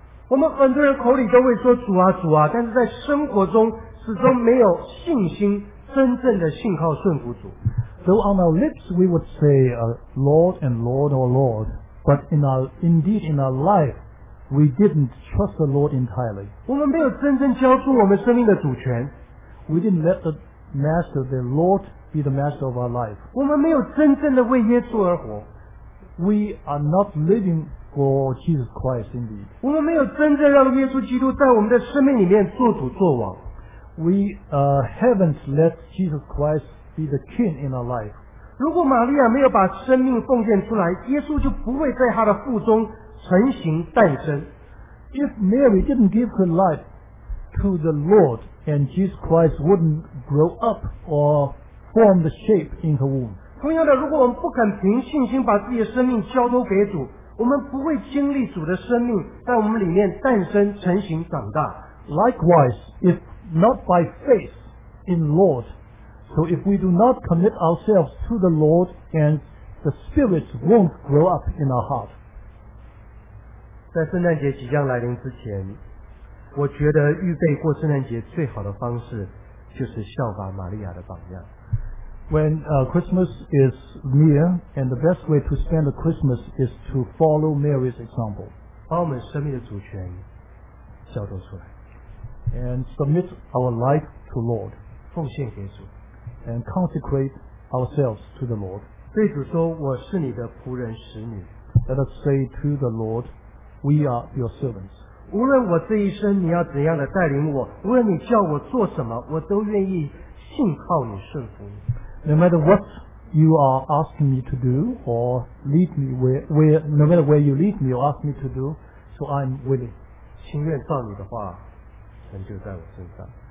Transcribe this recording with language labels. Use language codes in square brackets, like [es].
[zh] 我们很多人口里都会说主啊主啊，但是在生活中始终没有信心，真正的信靠顺服主。 [en] Though on our lips we would say Lord and Lord or Lord, but indeed in our life we didn't trust the Lord entirely. [zh] 我们没有真正交出我们生命的主权。 [en] We didn't let the Master, the Lord, be the master of our life. [zh] 我们没有真正的为耶稣而活。 [en] We are not living. For Jesus Christ, indeed. [zh] 我们没有真正让耶稣基督在我们的生命里面做主做王。 [en] We haven't let Jesus Christ be the king in our life. [zh] 如果玛利亚没有把生命奉献出来，耶稣就不会在她的腹中成形诞生。 [en] If Mary didn't give her life to the Lord, and Jesus Christ wouldn't grow up or form the shape in her womb. [zh] 同样的，如果我们不肯凭信心把自己的生命交托给主，我们不会经历主的生命在我们里面诞生、成型、长大。 [en] Likewise, if not by faith in Lord, so if we do not commit ourselves to the Lord, and the Spirit won't grow up in our heart. [zh] 在圣诞节即将来临之前，我觉得预备过圣诞节最好的方式就是效法玛利亚的榜样。 [en] When Christmas is near, and the best way to spend the Christmas is to follow Mary's example. [zh] 把我们生命的主权交托出来。 [en] And submit our life to Lord. [zh] 奉献给主。 [en] And consecrate ourselves to the Lord. [zh] 对主说，我是你的仆人使女。 [en] Let us say to the Lord, we are your servants. [zh] 无论我这一生你要怎样的带领我，无论你叫我做什么，我都愿意信靠你，顺服你。 [en] No matter what you are asking me to do, or lead me no matter where you lead me or ask me to do, so I'm willing. [zh] 心愿照你的话，成就在我身上。